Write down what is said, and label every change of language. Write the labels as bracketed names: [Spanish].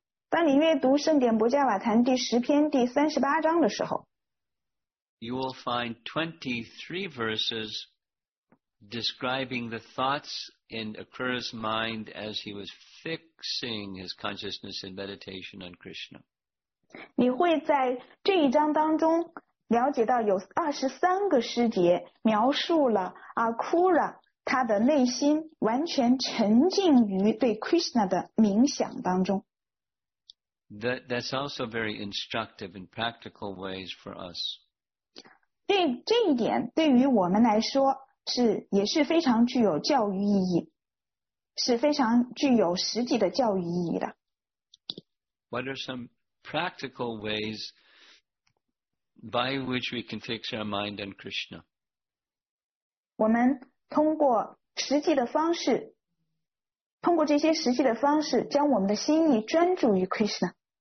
[Chinese] 当你阅读圣典博伽瓦坛第十篇第三十八章的时候， [English] You will find 23 verses describing the thoughts in Akura's mind as he was fixing his consciousness in meditation on Krishna. [Chinese] 你会在这一章当中了解到有23个诗节描述了 Akura 他的内心完全沉浸于对 Krishna 的冥想当中。 [English] That's also very instructive in practical ways for us. [Chinese] 这一点对于我们来说也是非常具有教育意义，是非常具有实际的教育意义的。 [English] What are some practical ways by which we can fix our mind on Krishna? [Chinese] 我们通过实际的方式，通过这些实际的方式，将我们的心意专注于 Krishna。